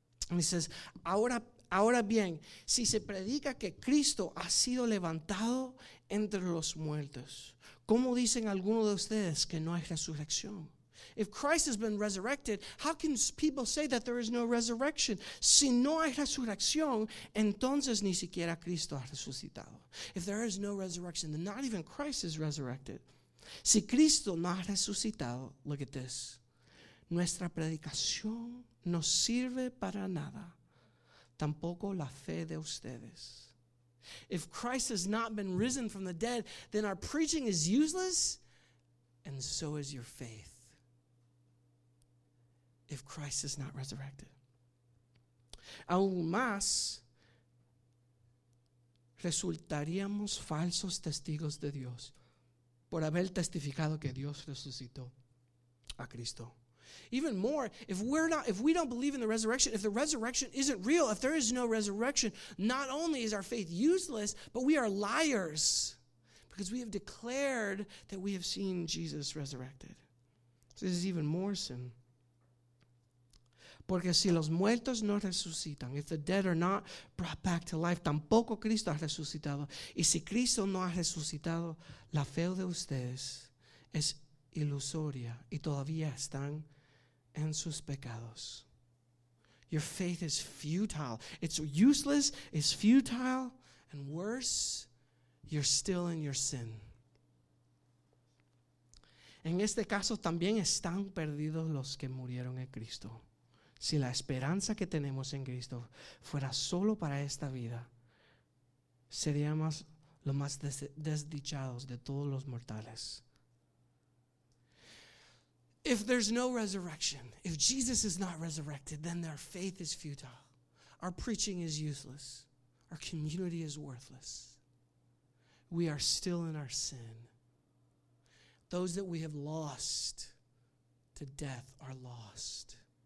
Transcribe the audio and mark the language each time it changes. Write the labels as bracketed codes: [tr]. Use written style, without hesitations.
[es] And he says, ahora bien, si se predica que Cristo ha sido levantado entre los muertos, ¿cómo dicen algunos de ustedes que no hay resurrección? [en] If Christ has been resurrected, how can people say that there is no resurrection? [es] Si no hay resurrección, entonces ni siquiera Cristo ha resucitado. [en] If there is no resurrection, then not even Christ is resurrected. [es] Si Cristo no ha resucitado, [en] look at this. [es] Nuestra predicación no sirve para nada. Tampoco la fe de ustedes. [en] If Christ has not been risen from the dead, then our preaching is useless, and so is your faith. If Christ is not resurrected. [es] Aún más, resultaríamos falsos testigos de Dios por haber testificado que Dios resucitó a Cristo. [en] Even more, if we don't believe in the resurrection, if the resurrection isn't real, if there is no resurrection, not only is our faith useless, but we are liars because we have declared that we have seen Jesus resurrected. So this is even more sin. [es] Porque si los muertos no resucitan, [en] if the dead are not brought back to life, [es] tampoco Cristo ha resucitado. Y si Cristo no ha resucitado, la fe de ustedes es ilusoria y todavía están en sus pecados. [en] Your faith is futile. It's useless, it's futile, and worse, you're still in your sin. [es] En este caso también están perdidos los que murieron en Cristo. Si la esperanza que tenemos en Cristo fuera solo para esta vida, seríamos los más desdichados de todos los mortales. [en] If there's no resurrection, if Jesus is not resurrected, then our faith is futile. Our preaching is useless. Our community is worthless. We are still in our sin. Those that we have lost to death are lost.